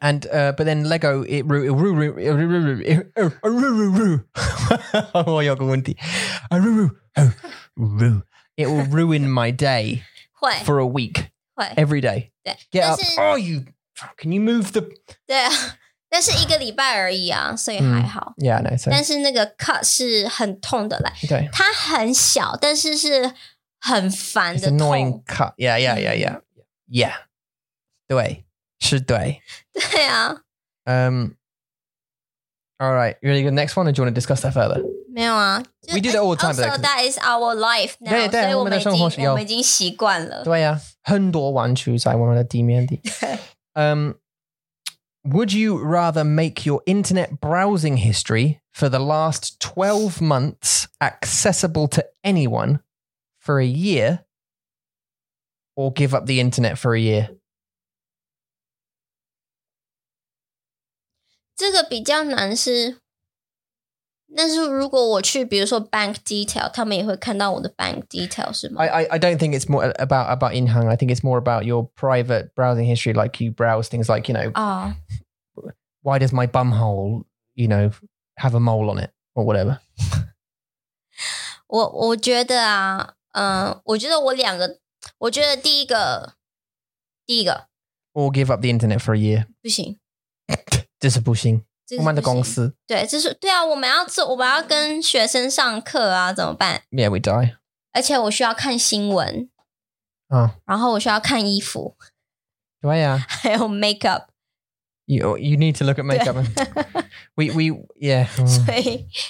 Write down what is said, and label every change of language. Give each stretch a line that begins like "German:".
English: And, but then Lego, it will ruin my day for a week. Every day. Get up. Oh, you, can you move the...
Chinese: 对啊。但是一个礼拜而已啊，所以还好。
English: 嗯、yeah, no, so.
Chinese: 但是那个 cut 是很痛的嘞。对，它很小，但是是很烦的痛。
English: It's annoying cut. Yeah, yeah, yeah, yeah, yeah.
Chinese: 对，是对。对啊。
English: All right, you ready to go to the next one, or do you want to discuss that further?
Chinese: 没有啊。
English: We do that all the time. Also, that is our life now.
Chinese: 对对，我们的生活是要。我们已经习惯了。对啊，很多玩具在我们的地面里。
English: Would you rather make your internet browsing history for the last 12 months accessible to anyone for a year or give up the internet for a year?
Chinese: 这个比较难是，但是如果我去比如说 bank detail, 他们也会看到我的 bank detail, 是吗？
English: I don't think it's more about Inhang. I think it's more about your private browsing history, like you browse things like, you know, why does my bum hole, you know, have a mole on it or whatever?
Chinese: 我觉得啊，我觉得我两个，我觉得第一个
English: Or give up the internet for a year.
Chinese: 不行。这是不行，我们的公司对，这是对啊，我们要跟学生上课啊，怎么办
English: ？Yeah, we die.
Chinese: 而且我需要看新闻啊，然后我需要看衣服，对呀、啊，还有 makeup.
English: You need to look at makeup. We yeah.